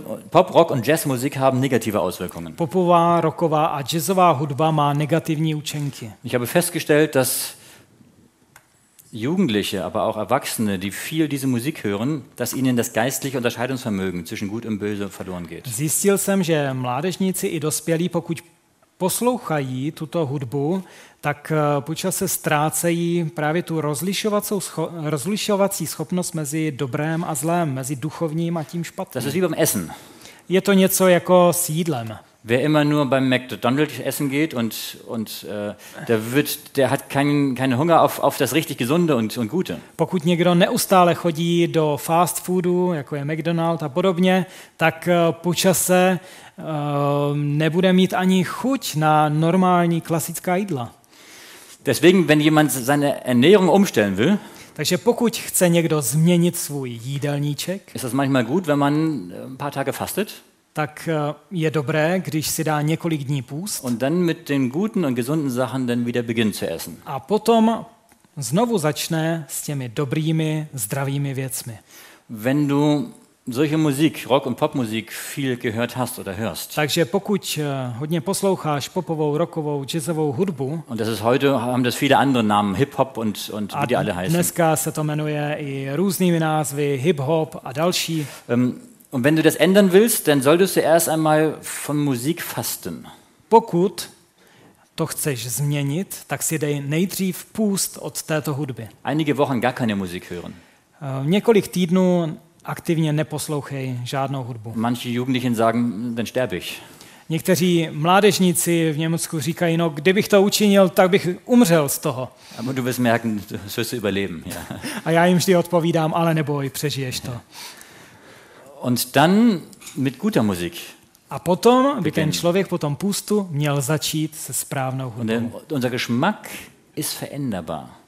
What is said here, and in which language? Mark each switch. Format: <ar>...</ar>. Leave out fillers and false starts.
<de>Pop, rock und jazz Musik haben negative Auswirkungen.</de> <cs>Popová, rocková a jazzová hudba má negativní účinky.</cs> <de>Ich habe festgestellt, dass Jugendliche, aber auch Erwachsene, die viel diese Musik hören, dass ihnen das geistliche Unterscheidungsvermögen zwischen gut und böse verloren geht.</de> <cs>Zjistil jsem, že mládežníci i dospělí, pokud poslouchají tuto hudbu, tak počas se ztrácejí právě tu rozlišovací schopnost mezi dobrém a zlém, mezi duchovním a tím špatným.</cs> <de>Das ist wie beim Essen.</de> <cs>Je to něco jako s jídlem.</cs> <de>Wer immer nur beim McDonald's essen geht und der wird, der hat keinen Hunger auf das richtig Gesunde und Gute.</de> <cs>Pokud někdo neustále chodí do fast foodu, jako je McDonald's a podobně, tak počase nebude mít ani chuť na normální klasická jídla.</cs> <de>Deswegen, wenn jemand seine Ernährung umstellen will,</de> <cs>takže pokud chce někdo změnit svůj jídelníček,</cs> <de>ist das manchmal gut, wenn man ein paar Tage fastet.</de> <cs>Tak je dobré, když si dá několik dní půst.</cs> <de>Und dann mit den guten und gesunden Sachen dann wieder beginnt zu essen.</de> <cs>A potom znovu začne s těmi dobrými, zdravými věcmi.</cs> <de>Wenn du solche Musik, Rock und Popmusik viel gehört hast oder hörst.</de> <cs>Takže pokud hodně posloucháš popovou, rockovou, jazzovou hudbu.</cs> <de>Und das ist heute haben das viele andere Namen, Hip-Hop und wie die alle heißen.</de> <cs>Dneska se to jmenuje i různými názvy, Hip-Hop a další.</cs> <de>Und wenn du das ändern willst, dann solltest du erst einmal von Musik fasten.</de> <cs>Pokud to chceš změnit, tak si dej nejdřív půst od této hudby.</cs> <de>Einige Wochen gar keine Musik hören.</de> <cs>Několik týdnů aktivně neposlouchej žádnou hudbu.</cs> <de>Manche Jugendlichen sagen, dann sterbe ich.</de> <cs>Někteří mládežníci v Německu říkají, no kdybych to učinil, tak bych umřel z toho.</cs> <de>Aber du wirst merken, du wirst überleben, ja.</de> <cs>A já jim vždy odpovídám, ale neboj, přežiješ to.</cs> <de>Und dann mit guter Musik.</de> <cs>A potom by ten člověk po tom půstu měl začít se správnou hudbou.</cs> <de>Unser Geschmack ist veränderbar.</de>